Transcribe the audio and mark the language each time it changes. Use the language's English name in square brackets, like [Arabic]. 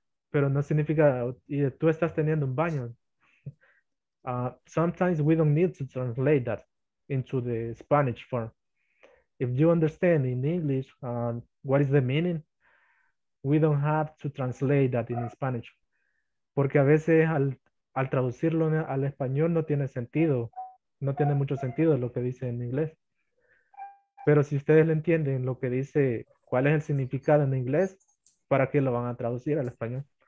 [Spanish] Pero no significa tú estás teniendo un baño. [English] Sometimes we don't need to translate that into the Spanish form. If you understand in English what is the meaning, we don't have to translate that in Spanish. [Spanish] Porque a veces al traducirlo al español no tiene sentido, no tiene mucho sentido lo que dice en inglés. Pero si ustedes le entienden lo que dice, cuál es el significado en inglés, ¿para qué lo van a traducir al español?